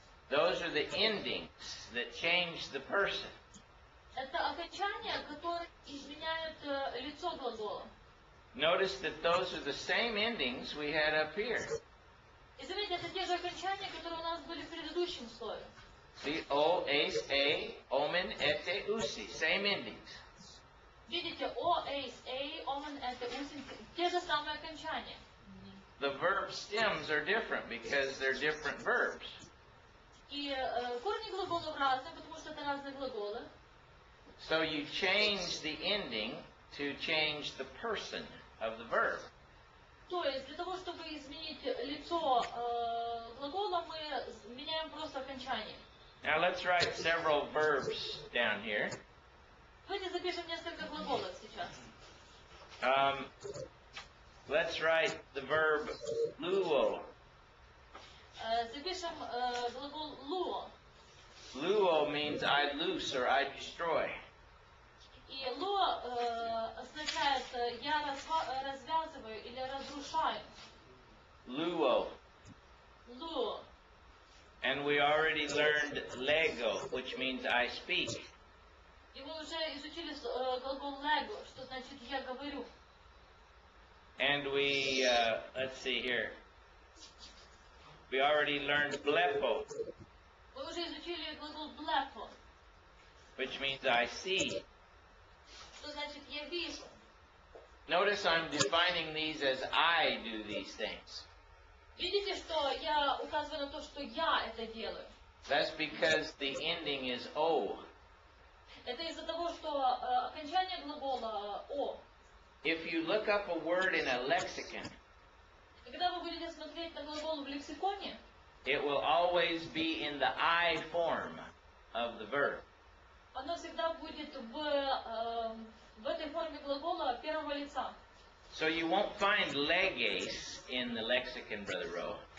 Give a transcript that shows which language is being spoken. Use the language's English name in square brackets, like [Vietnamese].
[English] Those are the endings that change the person. [Russian] Это окончания, которые изменяют лицо глагола. [English] Notice that those are the same endings we had up here. [Russian] И заметьте, это те же окончания, которые у нас были в предыдущем слове. [English] See, O, S, A, Omen, Ete, Usi. Same endings. [Russian] Видите, O, S, A, Omen, Ete, Usi. Те же самые окончания. [English] The verb stems are different because they're different verbs. [Russian] И корни глаголов разные, потому что это разные глаголы. [English] So you change the ending to change the person of the verb. [Russian] То есть для того, чтобы изменить лицо глагола, мы меняем просто окончание. [English] Now let's write several verbs down here. [Russian] Давайте запишем несколько глаголов сейчас. [English] Let's write the verb luo. [Russian] Запишем глагол luo. [English] Luo means I loose or I destroy. [Russian] И luo означает я развязываю или разрушаю. [English] Luo. [Russian] Luo. [English] And we already learned lego, which means I speak. [Russian] И мы уже изучили глагол lego, что значит я говорю. [English] And we, let's see here. We already learned blepo. [Russian] Мы уже изучили глагол blepo. [English] Which means I see. [Russian] Что значит я вижу. [English] Notice I'm defining these as I do these things. [Russian] Видите, что я указываю на то, что я это делаю. [English] That's because the ending is o. [Russian] Это из-за того, что окончание глагола o. [English] If you look up a word in a lexicon, [Russian] когда вы будете смотреть на глагол в лексиконе, [English] it will always be in the I form of the verb. [Russian] Оно всегда будет в этой форме глагола первого лица. [English] So you won't find leges in the lexicon, Brother Ro.